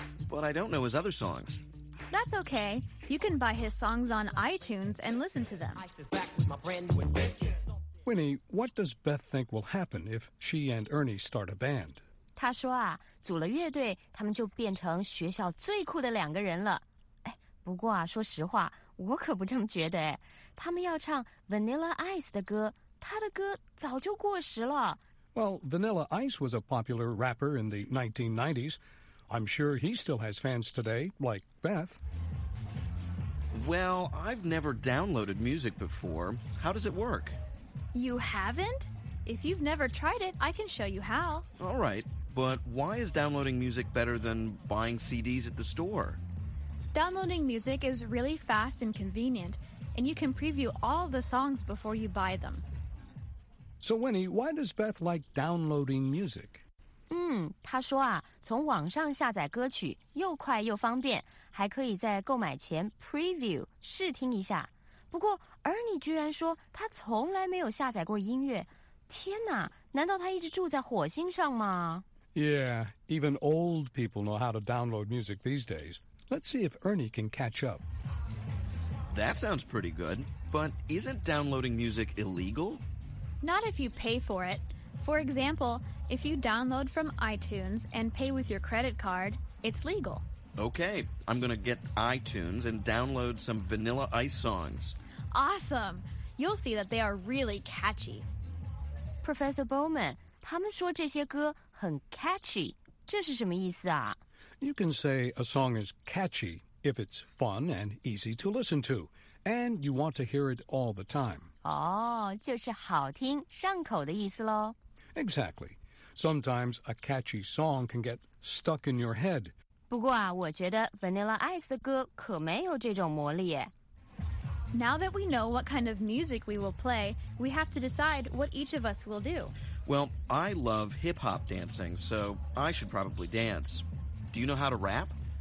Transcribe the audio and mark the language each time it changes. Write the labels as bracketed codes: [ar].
[en] But I don't know his other songs. That's okay. You can buy his songs on iTunes and listen to them. Winnie, what does Beth think will happen if she and Ernie start a band? [zh] 她说啊，组了乐队，他们就变成学校最酷的两个人了。哎，不过啊，说实话，我可不这么觉得哎。他们要唱 Vanilla Ice 的歌，他的歌早就过时了。 [en] Well, Vanilla Ice was a popular rapper in the 1990s. I'm sure he still has fans today, like Beth. Well, I've never downloaded music before. How does it work? You haven't? If you've never tried it, I can show you how. All right, but why is downloading music better than buying CDs at the store? Downloading music is really fast and convenient, and you can preview all the songs before you buy them. So Winnie, why does Beth like downloading music? [zh] 她说啊，从网上下载歌曲又快又方便，还可以在购买前 preview 试听一下。不过 Ernie 居然说他从来没有下载过音乐，天哪，难道他一直住在火星上吗？ [en] Yeah, even old people know how to download music these days. Let's see if Ernie can catch up. That sounds pretty good, but isn't downloading music illegal? Not if you pay for it. For example, if you download from iTunes and pay with your credit card, it's legal. Okay, I'm going to get iTunes and download some Vanilla Ice songs. Awesome! You'll see that they are really catchy. [zh] Professor Bowman, 他们说这些歌很 catchy, 这是什么意思啊? [en] You can say a song is catchy if it's fun and easy to listen to, and you want to hear it all the time. [zh] 哦、oh, 就是好听上口的意思咯。 [en] Exactly. Sometimes a catchy song can get stuck in your head. [zh] 不过啊我觉得 Vanilla Ice 的歌可没有这种魔力耶。 [en] Now that we know what kind of music we will play, we have to decide what each of us will do. Well, I love hip-hop dancing, so I should probably dance. Do you know how to rap?